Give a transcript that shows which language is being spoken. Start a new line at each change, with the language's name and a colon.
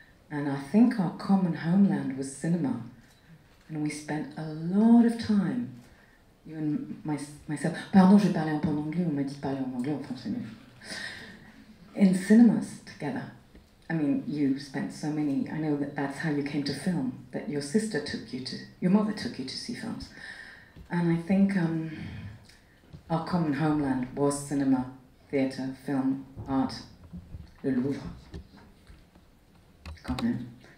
English: And I think our common homeland was cinema. And we spent a lot of time, you and myself.
French: Pardon, je parlais un peu en anglais, on m'a dit de parler en anglais, en français, mais...
English: In cinemas together. I mean, you spent so many, I know that that's how you came to film, that your sister took you to, your mother took you to see films. And I think our common homeland was cinema, theatre, film, art, le Louvre.
French: Quand même.